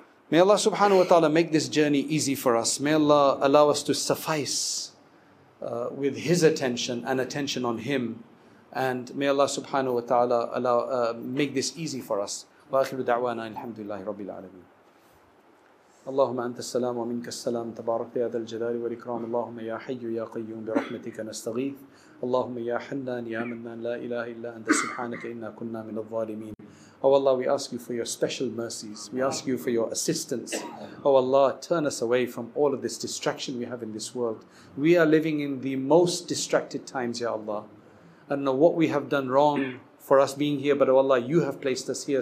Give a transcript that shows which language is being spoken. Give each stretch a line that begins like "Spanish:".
English: May Allah subhanahu wa ta'ala make this journey easy for us. May Allah allow us to suffice with his attention and attention on him. And may Allah subhanahu wa ta'ala make this easy for us.
Arabic: Wa akhiru da'wana alhamdulillahi rabbil alameen. اللهم أنت السلام ومنك السلام تبارك يا ذا الجلال والإكرام اللهم يا حي يا قيوم برحمتك نستغيث اللهم يا حنان يا منان لا إله إلا أنت سبحانك إنا كنا من الظالمين.
English: Oh Allah, we ask you for your special mercies. We ask you for your assistance. Oh Allah, turn us away from all of this distraction we have in this world. We are living in the most distracted times, ya Allah. I don't know what we have done wrong for us being here, but oh Allah, you have placed us here.